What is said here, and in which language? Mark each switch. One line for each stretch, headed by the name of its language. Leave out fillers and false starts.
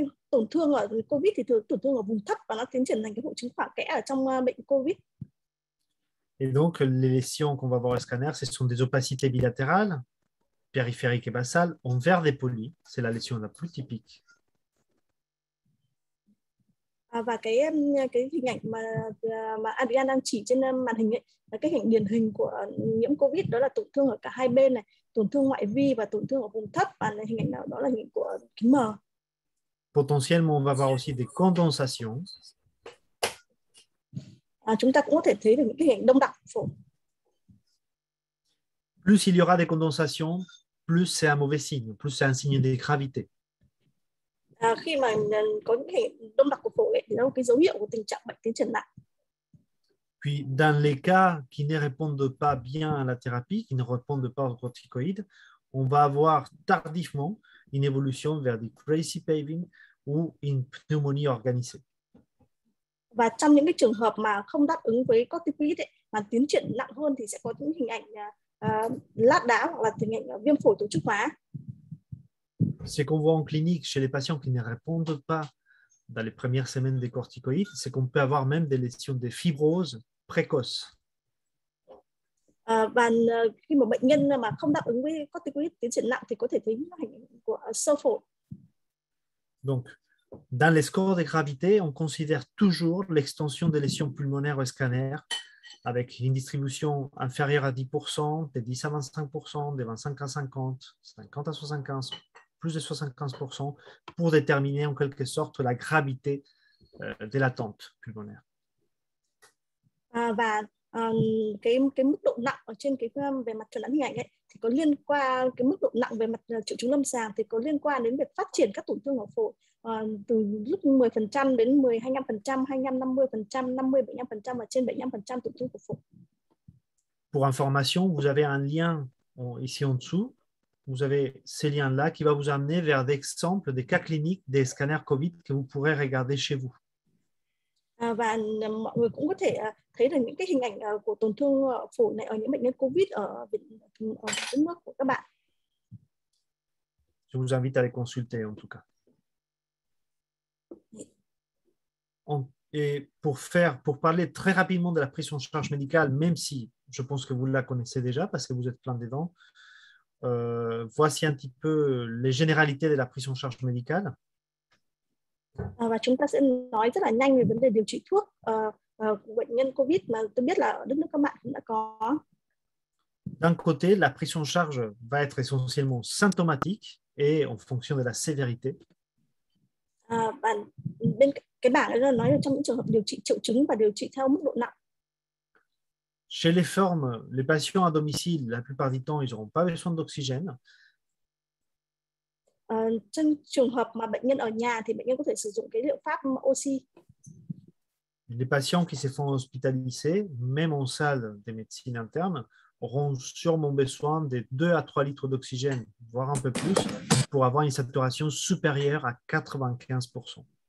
Vietnamese: Tổn thương ở COVID thì tổn thương ở vùng thấp và nó tiến triển thành cái hội chứng khoảng kẽ ở trong bệnh COVID.
French: Et donc, les lésions qu'on va voir au scanner, ce sont des opacités bilatérales, périphériques et basales, en vert dépoli. C'est la lésion la plus typique.
Vietnamese: Và cái hình ảnh mà Adrian đang chỉ trên màn hình ấy, là cái hình điển hình của nhiễm COVID, đó là tổn thương ở cả hai bên này, tổn thương ngoại vi và tổn thương ở vùng thấp, và là hình ảnh nào đó là hình ảnh của kính mờ.
French: Potentiellement, on va voir aussi des condensations.
Vietnamese: À, chúng ta cũng có thể thấy được những cái hình đông đặc.
French: Plus il y aura des condensations, plus c'est un mauvais signe, plus c'est un signe de gravité.
Vietnamese: À, khi mà có những hình đông đặc của phổi thì nó là cái dấu hiệu của tình trạng bệnh tiến triển nặng.
French: Puis dans les cas qui ne répondent pas bien à la thérapie, qui ne répondent pas aux corticoïdes, on va avoir tardivement une évolution vers des crazy paving ou une pneumonie organisée.
Vietnamese: Và trong những cái trường hợp mà không đáp ứng với corticoïdes mà tiến triển nặng hơn thì sẽ có những hình ảnh lát đá hoặc là hình ảnh viêm phổi tổ chức hóa.
French: C'est qu'on voit en clinique chez les patients qui ne répondent pas dans les premières semaines des corticoïdes, c'est qu'on peut avoir même des lésions de fibrose précoce.
Vietnamese: Và khi mà bệnh nhân mà không đáp ứng với corticoïdes tiến triển nặng thì có thể thấy những hình ảnh của sơ phổi.
French: Donc, dans les scores de gravité, on considère toujours l'extension des lésions pulmonaires au scanner avec une distribution inférieure à 10%, de 10 à 25%, de 25 à 50, 50 à 75%. Plus de 75% pour déterminer en quelque sorte la gravité de l'attente pulmonaire.
Vietnamese: Và cái mức độ nặng ở trên cái về mặt chẩn đoán hình ảnh ấy thì có liên quan cái mức độ nặng về mặt triệu chứng lâm sàng thì có liên quan đến việc phát triển các tổn thương ở phổi từ lúc 10% đến 10-25%, 25-50%, 50-75% và trên 75% tổn thương của phổi.
French: Pour information, vous avez un lien ici en dessous. Vous avez ces liens-là qui va vous amener vers des exemples, des cas cliniques, des scanners COVID que vous pourrez regarder chez vous.
Vietnamese: Và mọi người cũng có thể thấy được những cái hình ảnh của tổn thương phổi này ở những bệnh nhân COVID ở đất nước của các bạn.
French: Je vous invite à les consulter en tout cas. Et pour parler très rapidement de la prise en charge médicale, même si je pense que vous la connaissez déjà parce que vous êtes plein dedans. Voici un petit peu les généralités de la prise en charge médicale.
Vietnamese: Và chúng ta sẽ nói rất là nhanh về vấn đề điều trị thuốc của bệnh nhân COVID mà tôi biết là ở đất nước các bạn cũng đã có.
French: D'un côté, la prise en charge va être essentiellement symptomatique et en fonction de la sévérité.
Vietnamese: Bên cái bảng là nói là trong những trường hợp điều trị triệu chứng và điều trị theo mức độ nặng.
French: Chez les formes, les patients à domicile, la plupart du temps, ils n'auront pas besoin d'oxygène.
Vietnamese: Trong trường hợp mà bệnh nhân ở nhà thì bệnh nhân có thể sử dụng cái liệu pháp oxy.
French: Les patients qui se font hospitaliser, même en salle de médecine interne, auront sûrement besoin de 2 à 3 litres d'oxygène, voire un peu plus, pour avoir une saturation supérieure à 95%.